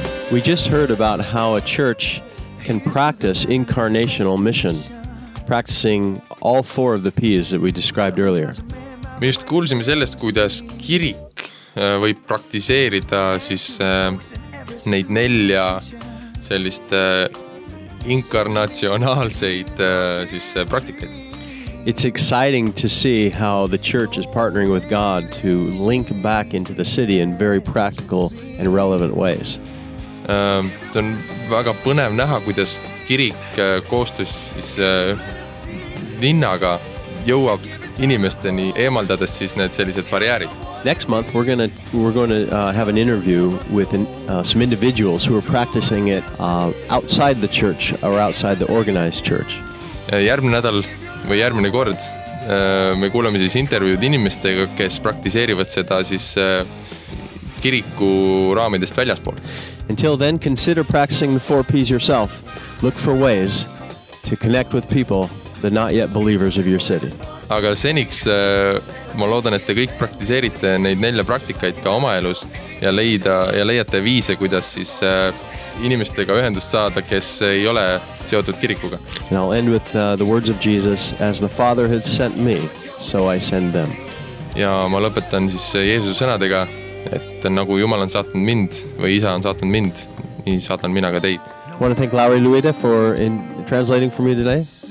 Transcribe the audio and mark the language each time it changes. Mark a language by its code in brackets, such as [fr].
[en] We just heard about how a church can practice incarnational mission, practicing all four of the P's that we described earlier. [et] Me just kuulsime sellest, kuidas kirik võib praktiseerida siis neid nelja sellist inkarnatsionaalseid siis praktikaid. [en] It's exciting to see how the church is partnering with God to link back into the city in very practical and relevant ways. [et] See on väga põnev näha, kuidas kirik koostus siis linnaga jõuab inimesteni eemaldades siis need sellised barjäärid. [en] Next month we're going to have an interview with some individuals who are practicing it outside the church or outside the organized church. [et] Järgmine nädal või järgmine kord me kuuleme siis intervjuud inimestega, kes praktiseerivad seda siis kiriku raamidest väljaspool. [en] Until then, consider practicing the four P's yourself. Look for ways to connect with people, the not yet believers of your city. [et] Aga seniks ma loodan, et te kõik praktiseerite neid nelja praktikaid ka oma elus ja leiate viise, kuidas siis inimestega ühendust saada, kes ei ole seotud kirikuga. [en] And I'll end with the words of Jesus, as the Father had sent me, so I send them. [et] Ja ma lõpetan siis Jeesuse sõnadega, et nagu Jumal on saatnud mind või Isa on saatnud mind, nii saatan mina ka teid. [en] I want to thank Lauri Luida for in translating for me today.